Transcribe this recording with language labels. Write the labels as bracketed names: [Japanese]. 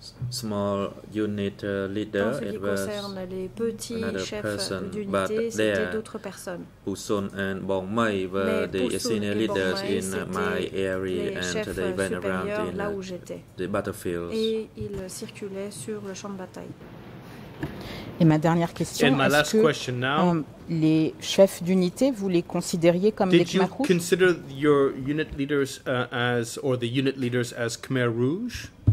[English] Small unit leader, it was another person, but there, Pusun and Bong Mai were the senior leaders in my area, and they went around in the battlefields. [French] Et ils circulaient sur le champ de bataille. Et ma dernière question, est-ce que les chefs d'unité, vous les considériez comme des Khmer Rouge? [English] Consider your unit leaders as, or the unit leaders as Khmer Rouge?